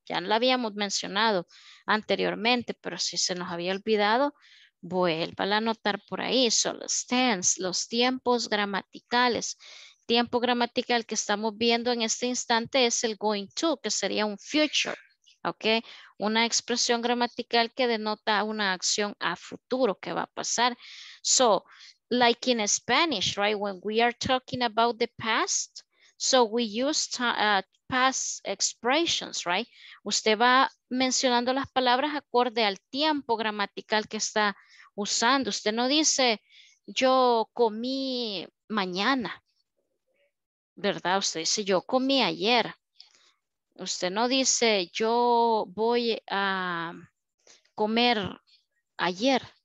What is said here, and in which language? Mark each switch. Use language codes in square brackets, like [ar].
[es] Ya la habíamos mencionado anteriormente, pero si se nos había olvidado, vuelva a anotar por ahí. So, los tense, los tiempos gramaticales. Tiempo gramatical que estamos viendo en este instante es el going to, que sería un future, okay. Una expresión gramatical que denota una acción a futuro que va a pasar. [en] So, like in Spanish, right, when we are talking about the past, so we use past expressions, right? [es] Usted va mencionando las palabras acorde al tiempo gramatical que está usando. Usted no dice, yo comí mañana, ¿verdad? Usted dice, yo comí ayer. Usted no dice, yo voy a comer ayer.